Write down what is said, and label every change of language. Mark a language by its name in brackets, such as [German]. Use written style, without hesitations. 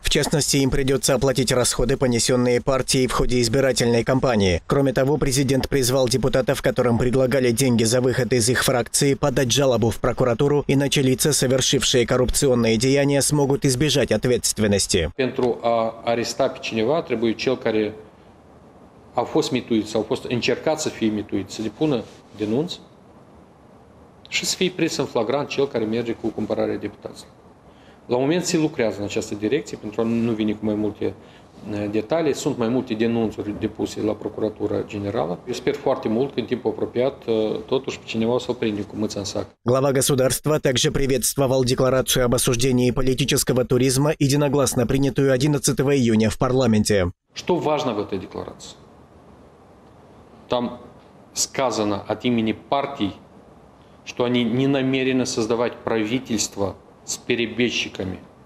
[Russian] В частности, им придется оплатить расходы, понесенные партией в ходе избирательной кампании. Кроме того, президент призвал депутатов, которым предлагали деньги за выход из их фракции, подать жалобу в прокуратуру, иначе лица, совершившие коррупционные деяния, смогут избежать ответственности. [Romanian] Pentru a aresta pe cineva trebuie cel care a fost mituit sau a fost încercat să fie mituit să depună denunț. Și să fie prins în flagrant cel care merge cu cumpărarea deputaților. La moment se lucrează în această direcție, pentru a nu veni cu mai multe detalii. Sunt mai multe denunțuri depuse la Procuratura Generală. Eu sper foarte mult că în timp apropiat totuși pe cineva o să-l prinde cu mâța în sac. [Russian] Глава государства также приветствовал декларацию об осуждении политического туризма, единогласно принятую 11 июня в парламенте. Что важно в этой декларации? Там сказано от имени партий, что они не намерены создавать правительство с перебежчиками.